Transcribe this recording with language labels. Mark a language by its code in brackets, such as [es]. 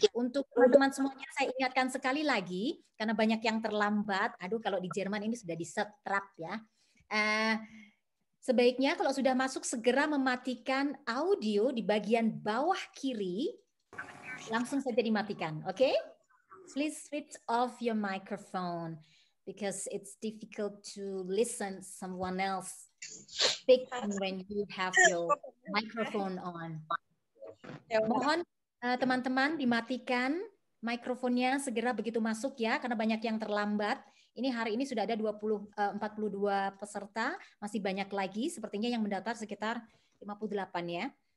[id] Untuk teman-teman semuanya, saya ingatkan sekali lagi, karena banyak yang terlambat, aduh kalau di Jerman ini sudah disetrap ya. Sebaiknya kalau sudah masuk, segera mematikan audio di bagian bawah kiri. Langsung saja dimatikan, oke? Okay? [en] Please switch off your microphone, because it's difficult to listen someone else speak when you have your microphone on. [id] Mohon teman-teman dimatikan mikrofonnya segera begitu masuk ya, karena banyak yang terlambat. Ini hari ini sudah ada 42 peserta, masih banyak lagi, sepertinya yang mendaftar sekitar 58 ya.